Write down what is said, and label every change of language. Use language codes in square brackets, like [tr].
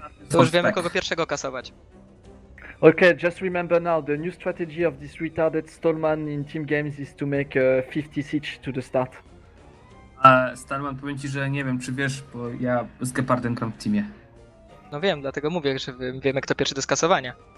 [pl] To już wiemy, kogo pierwszego kasować. [en] Okay, just remember now, the new strategy of this retarded Stallman in Team Games is to make 50 siege to the start. [pl] Stallman, powiem ci, że nie wiem, czy wiesz, bo ja z Gepardem gram w teamie. No wiem, dlatego mówię, że wiemy, kto pierwszy do skasowania.